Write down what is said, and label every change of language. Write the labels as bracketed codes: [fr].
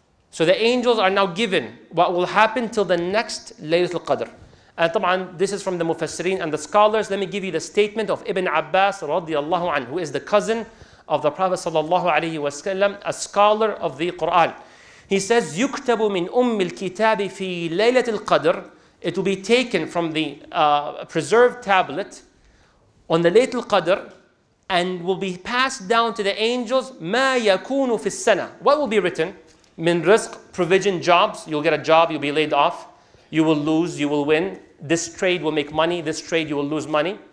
[en] So the angels are now given what will happen till the next Laylatul Qadr. And طبعاً, this is from the Mufassirin and the scholars. Let me give you the statement of Ibn Abbas radiallahu anhu, who is the cousin of the Prophet sallallahu alayhi wa sallam, a scholar of the Quran. He says, [ar] يُكْتَبُ مِنْ أُمِّ الْكِتَابِ فِي لَيْلَةِ الْقَدْرِ. [en] It will be taken from the preserved tablet on the Laylatul Qadr, and will be passed down to the angels, [ar] مَا يَكُونُ فِي السَّنَةِ. [en] What will be written? Min rizq, provision, jobs. You'll get a job, you'll be laid off. You will lose, you will win. This trade will make money, this trade you will lose money.